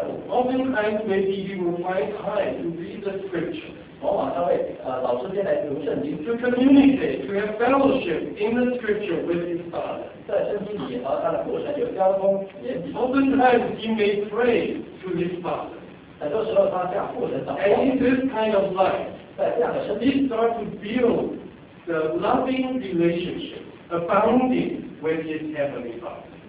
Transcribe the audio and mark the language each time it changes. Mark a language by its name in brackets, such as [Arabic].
[English] Oftentimes, maybe he will find time to read the scripture, [Chinese] 往往他会,老师先来读圣经, [English] to communicate, to have fellowship in the scripture with his Father. [Chinese] 在圣经里,他的父神有交通, [English] oftentimes, he may pray to his Father. [Chinese] 很多时候他向父神祷告, [English] and in this kind of life, he starts to build the loving relationship abounding with his heavenly Father.